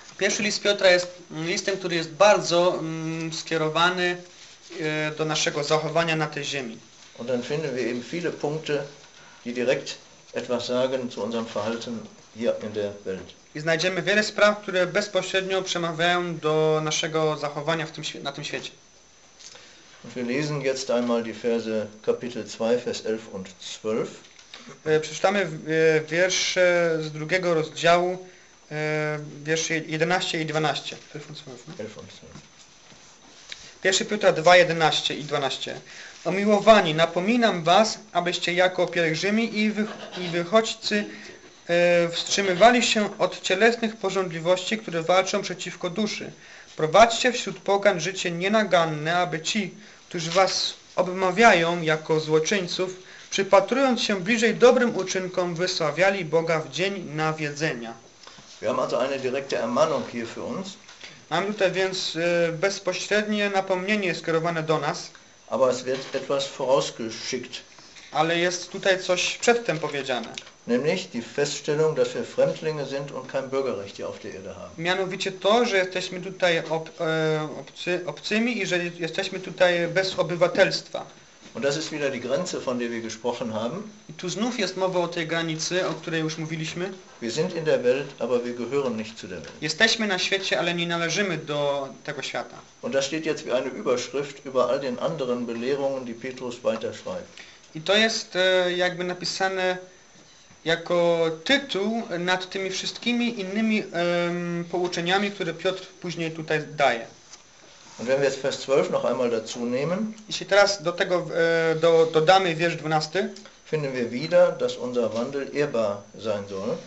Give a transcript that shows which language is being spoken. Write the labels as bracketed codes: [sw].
[pl] Pierwszy list Piotra jest listem, który jest bardzo skierowany do naszego zachowania na tej ziemi. [de] Und dann finden wir eben viele Punkte, die direkt etwas sagen zu unserem Verhalten hier in der Welt. [pl] I znajdziemy wiele spraw, które bezpośrednio przemawiają do naszego zachowania w tym, na tym świecie. [de] Und wir lesen jetzt einmal die Verse Kapitel 2, Vers 11 und 12. [pl] Przeczytamy wiersze z drugiego rozdziału, wiersze 11 i 12. [de] 11 und 12. 11 und 12. [pl] 1 Piotra 2, 11 i 12. Umiłowani, napominam was, abyście jako pielgrzymi i wychodźcy wstrzymywali się od cielesnych pożądliwości, które walczą przeciwko duszy. Prowadźcie wśród pogan życie nienaganne, aby ci, którzy was obmawiają jako złoczyńców, przypatrując się bliżej dobrym uczynkom, wysławiali Boga w dzień nawiedzenia. [de] Wir haben also eine direkte Ermahnung hier für uns. [pl] Mam tutaj więc bezpośrednie napomnienie skierowane do nas. [de] Aber es wird etwas vorausgeschickt. [pl] Ale jest tutaj coś przedtem powiedziane. [de] Nämlich die Feststellung, dass wir Fremdlinge sind und kein Bürgerrecht hier auf der Erde haben. [pl] Mianowicie to, że jesteśmy tutaj obcymi i że jesteśmy tutaj bez obywatelstwa. [de] Und das ist wieder die Grenze, von der wir gesprochen haben. [pl] I tu znów jest mowa o tej granicy, o której już mówiliśmy. [de] Wir sind in der Welt, aber wir gehören nicht zu der Welt. [pl] Jesteśmy na świecie, ale nie należymy do tego świata. [de] Und das steht jetzt wie eine Überschrift über all den anderen Belehrungen, die Petrus weiterschreibt. [pl] I to jest jakby napisane jako tytuł nad tymi wszystkimi innymi pouczeniami, które Piotr później tutaj daje. [de] Und wenn wir jetzt Vers 12 noch einmal dazu nehmen, [pl] jeśli teraz do tego dodamy wiersz 12, [de] finden wir wieder, dass unser Wandel ehrbar sein soll.